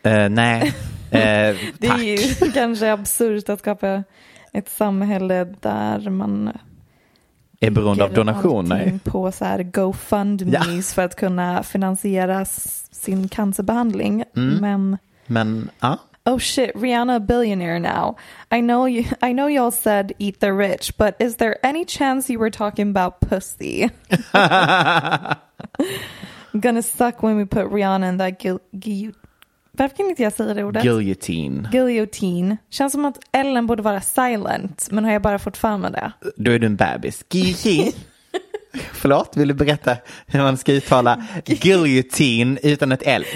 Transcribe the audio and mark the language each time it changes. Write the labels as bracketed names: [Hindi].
[Swedish] Nej. Det är ju kanske absurt att skapa ett samhälle där man är beroende av donationer på så här GoFundMe för att kunna finansiera sin cancerbehandling. Mm. Men ja. [English] Oh shit, Rihanna a billionaire now. I know y'all said eat the rich, but is there any chance you were talking about pussy? Gonna suck when we put Rihanna in that [Swedish] varför kan inte jag säga det ordet? [English] Guillotine. Guillotine. [Swedish] Känns som att Ellen borde vara silent, men har jag bara fått för mig det? Då är du en bebis. Guillotine. Förlåt, vill du berätta hur man ska uttala guillotine utan ett L?